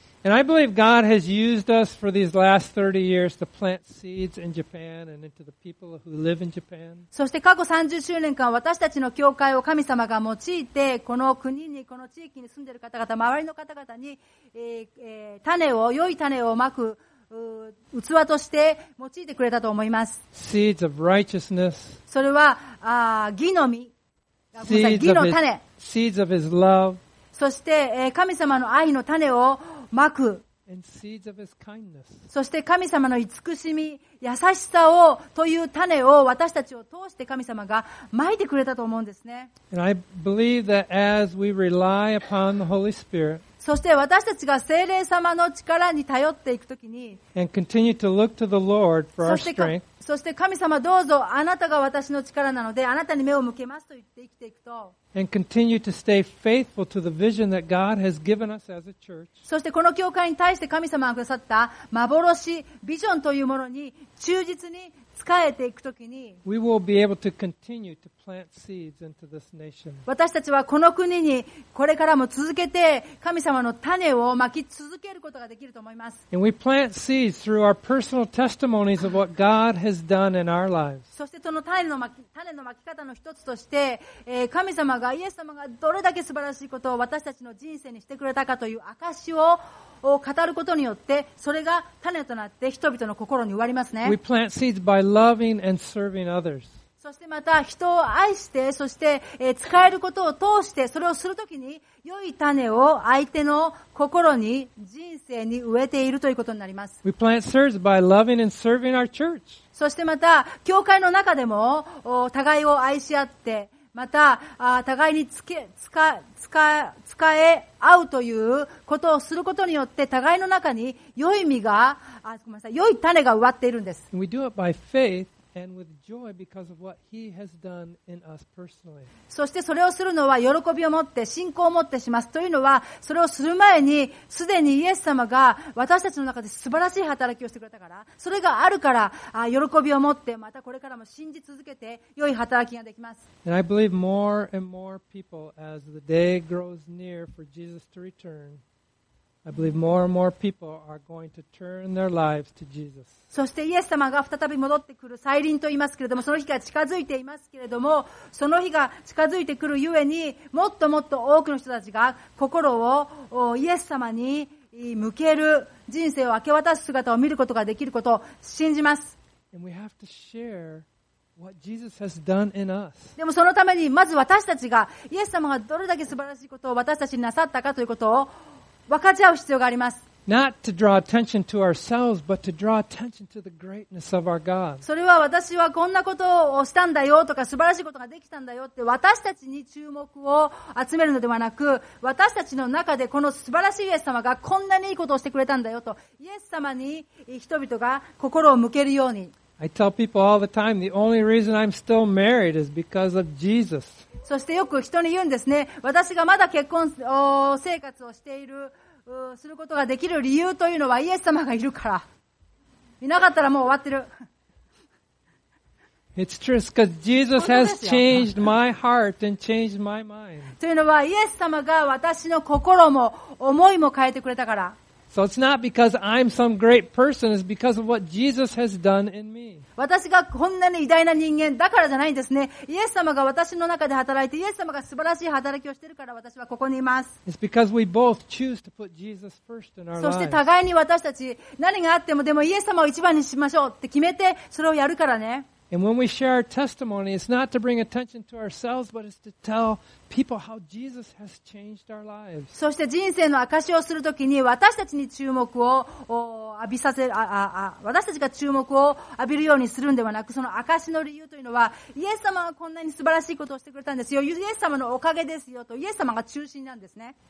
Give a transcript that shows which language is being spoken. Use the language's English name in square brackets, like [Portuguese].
[English] And I believe God has used us for these last 30 years to plant seeds in Japan and into the people who live in Japan. [Japanese] そして過去30周年間、私たちの教会を神様が用いて、この国に、この地域に住んでいる方々、周りの方々に、種を、良い種をまく器として用いてくれたと思います。 [English] Seeds of righteousness. [Japanese] それは、義の実。 [English] Seeds of his, [Japanese] 種。 [English] Seeds of his love. [Japanese] そして、神様の愛の種をまく。 [English] and seeds of his kindness. [Japanese] そして神様の慈しみ、優しさをという種を私たちを通して神様が撒いてくれたと思うんですね。 [English] And I believe that as we rely upon the Holy Spirit, [Japanese] そして私たちが聖霊様の力に頼っていくときに、 [English] and continue to look to the Lord for our strength. [Japanese] そして神様どうぞあなたが私の力なのであなたに目を向けますと言って生きていくと。 [English] And continue to stay faithful to the vision that God has given us as a church. [Japanese] そしてこの教会に対して神様がくださった幻、ビジョンというものに忠実に仕えていくときに。 [English] We will be able to continue to plant seeds into this nation. [Japanese] 私たちはこの国にこれからも続けて神様の種を撒き続けることができると思います。 [English] And we plant seeds through our personal testimonies of what God has done in our lives. [Japanese] そしてその種の巻き方の一つとして、神様がイエス様がどれだけ素晴らしいことを私たちの人生にしてくれたかという証を語ることによって、それが種となって人々の心に植わりますね。 [English] We plant seeds by loving and serving others. [Japanese] そしてまた人を愛して、そして使えることを通して、それをするときに良い種を相手の心に、人生に植えているということになります。 [English] We plant seeds by loving and serving our church. [Japanese] そしてまた教会の中でも互いを愛し合って、また互いに使え合うということをすることによって、互いの中に良い実が、ごめんなさい、良い種が植わっているんです。 [English] We do it by faith. And with joy because of what He has done in us personally. [Japanese] そしてそれをするのは喜びを持って信仰を持ってしますというのはそれをする前にすでにイエス様が私たちの中で素晴らしい働きをしてくれたからそれがあるから喜びを持ってまたこれからも信じ続けて良い働きができます。 [English] And I believe more and more people as the day grows near for Jesus to return. I believe more and more people are going to turn their lives to Jesus. [Japanese] そしてイエス様が再び戻ってくる再臨と言いますけれども、その日が近づいていますけれども、その日が近づいてくるゆえに、もっともっと多くの人たちが心をイエス様に向ける人生を明け渡す姿を見ることができることを信じます。 [English] And we have to share what Jesus has done in us. [Japanese] でもそのためにまず私たちがイエス様がどれだけ素晴らしいことを私たちになさったかということを分かち合う必要があります。 [English] Not to draw attention to ourselves, but to draw attention to the greatness of our God. [Japanese] それは私はこんなことをしたんだよとか素晴らしいことができたんだよって私たちに注目を集めるのではなく、私たちの中でこの素晴らしいイエス様がこんなにいいことをしてくれたんだよとイエス様に人々が心を向けるように。 [English] I tell people all the time the only reason I'm still married is because of Jesus. [Japanese] そしてよく人に言うんですね。私がまだ結婚生活をしている、することができる理由というのはイエス様がいるから。いなかったらもう終わってる。 [English] It's true, it's because Jesus has changed my heart and changed my mind. [Japanese] というのはイエス様が私の心も思いも変えてくれたから。 [English] So it's not because I'm some great person, it's because of what Jesus has done in me. [Japanese] 私がこんなに偉大な人間だからじゃないんですね。イエス様が私の中で働いて、イエス様が素晴らしい働きをしているから私はここにいます。 [English] It's because we both choose to put Jesus first in our lives. [Japanese] そして互いに私たち、何があってもでもイエス様を一番にしましょうって決めてそれをやるからね。 [English] And when we share our testimony, it's not to bring attention to ourselves, but it's to tell people how Jesus has changed our lives. [Japanese] そして人生の証をするときに私たちに注目を浴びさせる、私たちが注目を浴びるようにするんではなく、その証の理由というのは、イエス様はこんなに素晴らしいことをしてくれたんですよ。イエス様のおかげですよと、イエス様が中心なんですね。